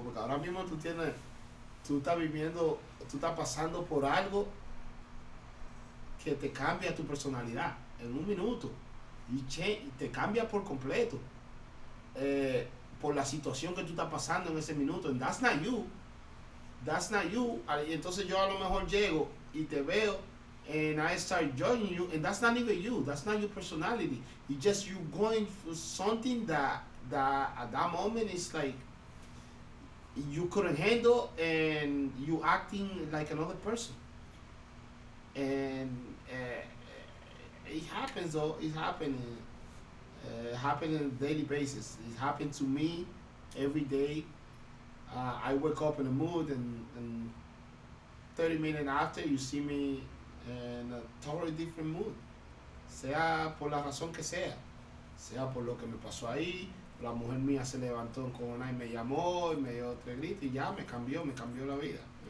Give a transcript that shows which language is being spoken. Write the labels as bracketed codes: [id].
[es] Porque ahora mismo tú estás pasando por algo que te cambia tu personalidad. En un minuto. Y te cambia por completo. Por la situación que tú estás pasando en ese minuto. [en] And that's not you. That's not you. [es] Y entonces yo a lo mejor llego y te veo. [en] And I start judging you, and that's not even you. That's not your personality. It's just you going through something that at that moment is like you couldn't handle, and you acting like another person. And it happens, though. It happens. It happens on a daily basis. It happened to me every day. I wake up in a mood, and 30 minutes after, you see me in a totally different mood. [es] Sea por la razón que sea. Sea por lo que me pasó ahí. La mujer mía se levantó en cojones y me llamó y me dio tres gritos y ya me cambió la vida.